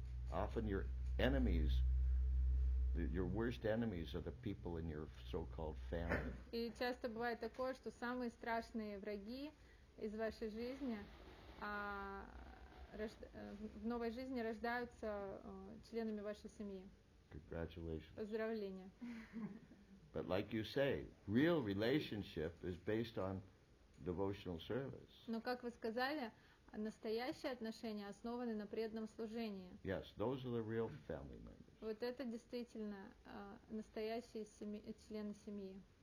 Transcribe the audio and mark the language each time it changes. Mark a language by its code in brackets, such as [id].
[en] Often your enemies, your worst enemies are the people in your so-called family. [ru] И часто бывает такое, что самые страшные враги из вашей жизни в новой жизни рождаются членами вашей семьи. [en] Congratulations. [ru] Поздравления. [en] But like you say, real relationship is based on devotional service. [ru] Но как вы сказали, настоящие отношения основаны на преданном служении. [en] Yes, those are the real family members. [ru] Вот это действительно настоящие члены семьи.